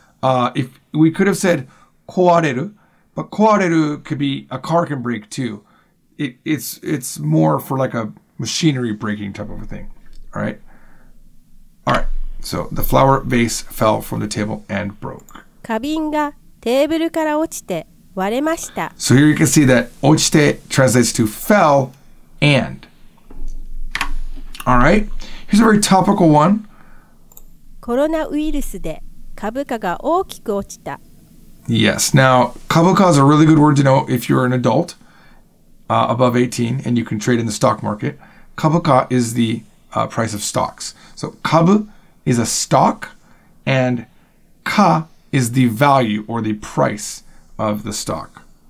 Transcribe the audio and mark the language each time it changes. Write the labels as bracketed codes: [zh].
[en] If we could have said 壊れるBut 壊れる could be, a car can break too. It's more for like a machinery breaking type of a thing. All right? All right. So the flower vase fell from the table and broke. [ja] 花瓶がテーブルから落ちて割れました。 [en] So here you can see that 落ちて translates to fell and. All right. Here's a very topical one. [ja] コロナウイルスで株価が大きく落ちた。 [en] Yes. Now, kabuka is a really good word to know if you're an adult above 18 and you can trade in the stock market. Kabuka is the price of stocks. So, kabu is a stock and ka is the value or the price of the stock.